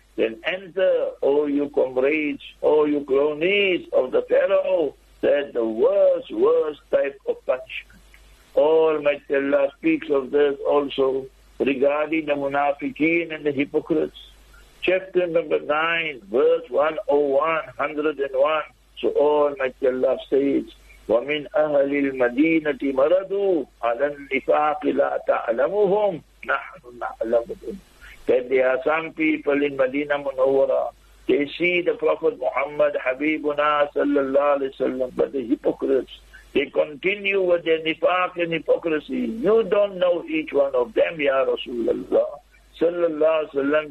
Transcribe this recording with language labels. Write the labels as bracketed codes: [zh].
[en] Then enter, O you comrades, O you cronies of the Pharaoh, that the worst, worst type of punishment. Almighty Allah speaks of this also regarding the munafiqeen and the hypocrites. Chapter number 9, verse 101. So Almighty Allah states, [ar] وَمِنْ أَهَلِ الْمَدِينَةِ مَرَدُوا عَلَى النِّفَاقِ لَا تَعْلَمُهُمْ نَحْنُ نَعْلَمُهُمْ. [en] That there are some people in Medina Munawwara, they see the Prophet Muhammad, Habibuna sallallahu alayhi wa sallam, but the hypocrites, they continue with their nifaq and hypocrisy. You don't know each one of them, Ya Rasulullah sallallahu alayhi wa sallam.